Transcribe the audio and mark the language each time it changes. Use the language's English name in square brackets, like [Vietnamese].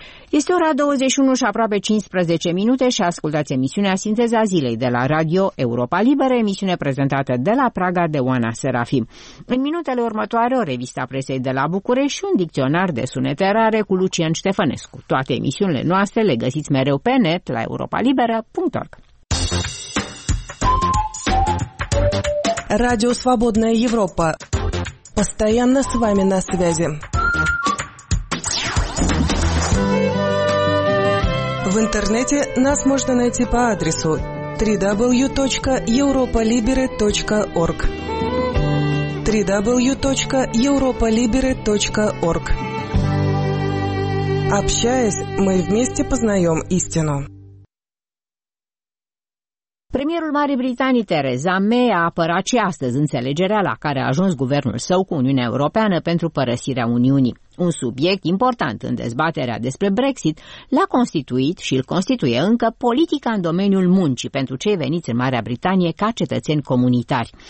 [Romanian] Este ora 21 și aproape 15 minute și ascultați emisiunea Sinteza Zilei de la Radio Europa Liberă, emisiune prezentată de la Praga de Oana Serafim. În minutele următoare, o revista presei de la București și un dicționar de sunete rare cu Lucian Ștefănescu. Toate emisiunile noastre le găsiți mereu pe net la europalibera.org. [Russian] Radio Svobodna Europa. Постоянно с вами на связи. интернете нас можно найти по адресу www.europalibere.org. www.europalibere.org. Общаясь, мы вместе познаем истину. [Romanian] Premierul Marii Britanii Theresa May a apărat și astăzi înțelegerea la care a ajuns guvernul său cu Uniunea Europeană pentru părăsirea Uniunii. Un subiect important în dezbaterea despre Brexit l-a constituit și îl constituie încă politica în domeniul muncii pentru cei veniți în Marea Britanie ca cetățeni comunitari.